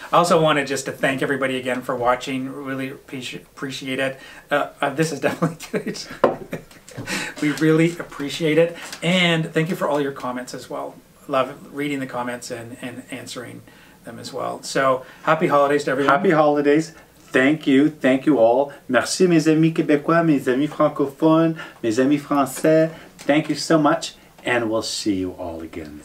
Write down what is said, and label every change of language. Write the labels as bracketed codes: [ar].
[en] I also wanted just to thank everybody again for watching. Really appreciate it. This is definitely good. We really appreciate it. And thank you for all your comments as well. Love reading the comments and answering them as well. So happy holidays to everyone. Happy holidays. Thank you all. [fr] Merci mes amis Québécois, mes amis francophones, mes amis français. [en] Thank you so much, and we'll see you all again